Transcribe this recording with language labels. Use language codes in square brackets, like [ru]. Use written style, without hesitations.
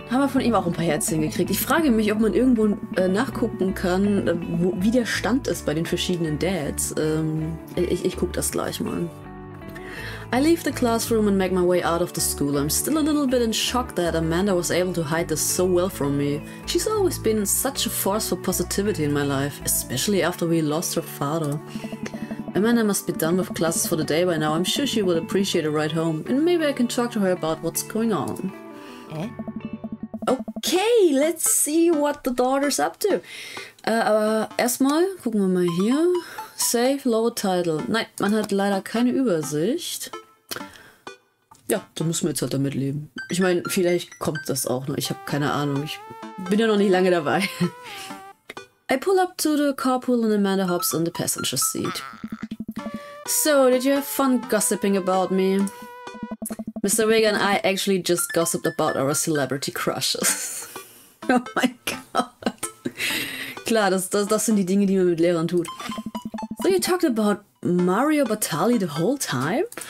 [de] Haben wir von ihm auch ein paar Herzchen gekriegt. Ich frage mich, ob man irgendwo nachgucken kann, wie der Stand ist bei den verschiedenen Dads. Ich guck das gleich mal. [en] I leave the classroom and make my way out of the school. I'm still a little bit in shock that Amanda was able to hide this so well from me. She's always been such a force for positivity in my life, especially after we lost her father. Amanda must be done with classes for the day by now. I'm sure she will appreciate a ride home, and maybe I can talk to her about what's going on. Okay, let's see what the daughter's up to. [de] Erstmal gucken wir mal hier. Save, lower title. Nein, man hat leider keine Übersicht. Ja, da müssen wir jetzt halt damit leben. Ich meine, vielleicht kommt das auch noch. Ich habe keine Ahnung. Ich bin ja noch nicht lange dabei. [en] I pull up to the carpool and Amanda hops in the passenger seat. So, did you have fun gossiping about me? Mr. Vega and I actually just gossiped about our celebrity crushes. Oh my god. [de] Klar, das sind die Dinge, die man mit Lehrern tut. [en] So you talked about Mario Batali the whole time?